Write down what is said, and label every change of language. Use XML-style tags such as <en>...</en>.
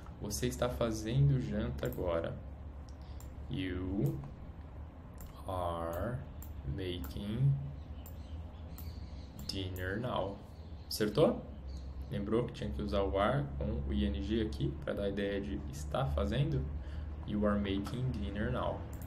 <pt>Você está fazendo janta agora.</pt> <en>You are making dinner now.</en> <pt>Acertou? Lembrou que tinha que usar o are com o ing aqui para dar a ideia de está fazendo?</pt> <en>You are making dinner now.</en>